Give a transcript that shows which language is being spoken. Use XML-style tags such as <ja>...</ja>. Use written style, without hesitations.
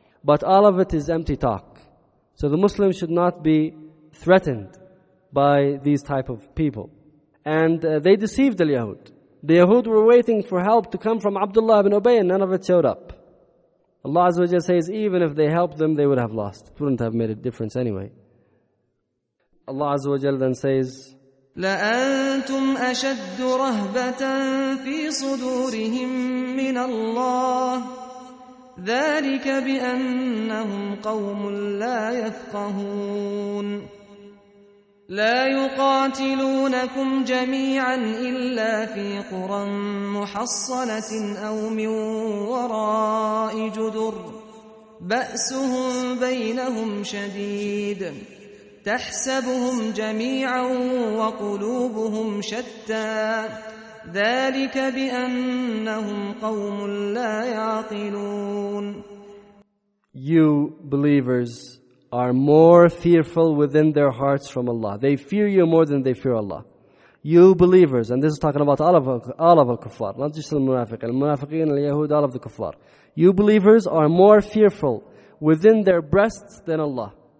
<en>But all of it is empty talk. So the Muslims should not be threatened by these type of people. And they deceived the Yahud. The Yahud were waiting for help to come from Abdullah ibn Ubay, and none of it showed up. Allah Azza wa Jalla says, even if they helped them, they would have lost. It wouldn't have made a difference anyway. Allah Azza wa Jalla then says,</en> <ar>لَأَنْتُمْ أَشَدُّ رَهْبَةً فِي صُدُورِهِمْ مِنَ اللَّهِ ذَلِكَ بِأَنَّهُمْ قَوْمٌ لَا يَفْقَهُونَ لا يقاتلونكم جميعا إلا في قرى محصنة أو من وراء جدر بأسهم بينهم شديد تحسبهم جميعا وقلوبهم شتى ذلك بأنهم قوم لا يعقلون</ar> <en>You believers are more fearful within their hearts from Allah. They fear you more than they fear Allah. You believers, and this is talking about all of al-kuffar, not just al-munafiq, al-munafiqin, al-yahud, all of the kuffar. You believers are more fearful within their breasts than Allah.</en>